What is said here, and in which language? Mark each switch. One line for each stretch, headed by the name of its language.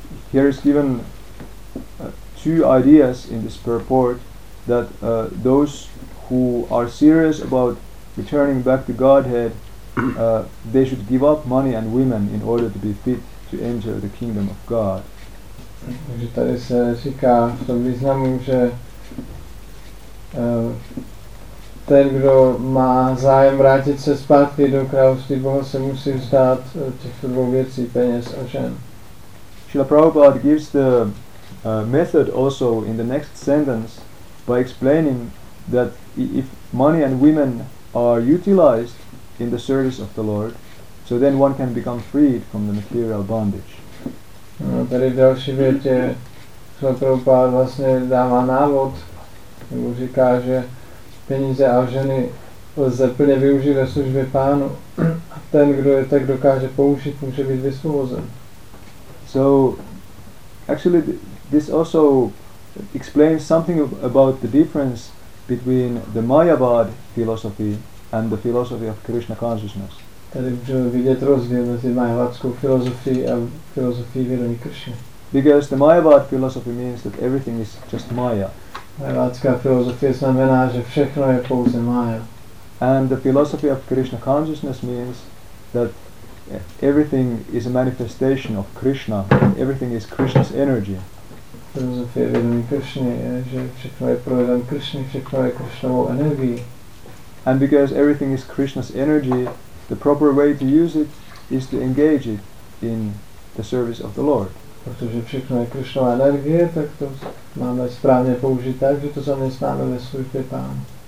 English: Here is given two ideas in this purport that those who are serious about returning back to Godhead, they should give up money and women in order to be fit to enter the kingdom of God.
Czech: Takže tady se říká v tom významu, že ten, kdo má zájem vrátit se zpátky do království Boha, se musí vzdát těchto dvou věcí, peněz a žen.
English: Srila Prabhupada gives the method also in the next sentence by explaining that if money and women are utilized in the service of the Lord, so then one can become freed from the material bondage.
Czech: No, tady v další větě Srila Prabhupada vlastně dává návod, nebo říká, že peníze a ženy lze plně využít ve službě Pánu a ten, kdo je tak dokáže použít, může být vysvobozen.
English: So, actually, this also explains something about the difference between the Mayavad philosophy and the philosophy of Krishna consciousness.
Czech: Tady můžeme vidět rozdíl mezi Mayavadskou filozofií a filozofií vědomí Krishna.
English: Because the Mayavad philosophy means that everything is just Maya.
Czech: Mayavadská filozofie znamená, že všechno je pouze Maya.
English: And the philosophy of Krishna consciousness means that everything is a manifestation of Krishna. Everything is Krishna's energy.
Czech: Filozofie vědomí Krishna je, že všechno je projevem Krishny, všechno je Krishnovou energii.
English: And because everything is Krishna's energy, the proper way to use it is to engage it in the service of the Lord.
Czech: Protože všechno je Krishnova energie, tak to máme správně použít tak, že to zaměstnáme ve službě Pána.